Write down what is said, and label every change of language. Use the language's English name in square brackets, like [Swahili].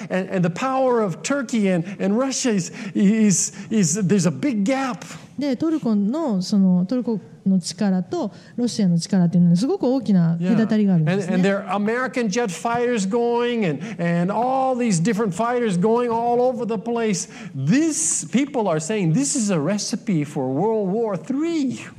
[English] Yeah, and the power of Turkey and Russia is there's a big gap. [Japanese] で、トルコの、 そのトルコの力とロシアの力っていうのはすごく大きな隔たりがあるんですね。 [English] And there are American jet fighters going and all these different fighters going all over the place. These people are saying this is a recipe for World War III.